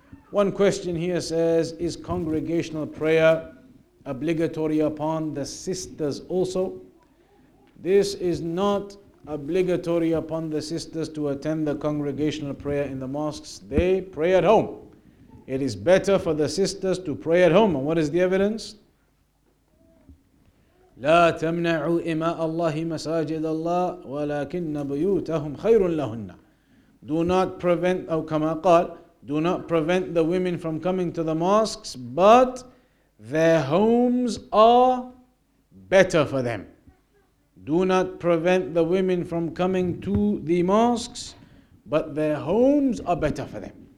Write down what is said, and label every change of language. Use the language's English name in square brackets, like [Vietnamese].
[English] One question here says, is congregational prayer obligatory upon the sisters also? This is not obligatory upon the sisters to attend the congregational prayer in the mosques. They pray at home. It is better for the sisters to pray at home. And what is the evidence? [Arabic] لا تمنعوا إماء الله مساجد الله ولكن بيوتهم خير لهن. [English] Do not prevent, [Arabic] أو كما قال, [English] do not prevent the women from coming to the mosques, but their homes are better for them. Do not prevent the women from coming to the mosques, but their homes are better for them.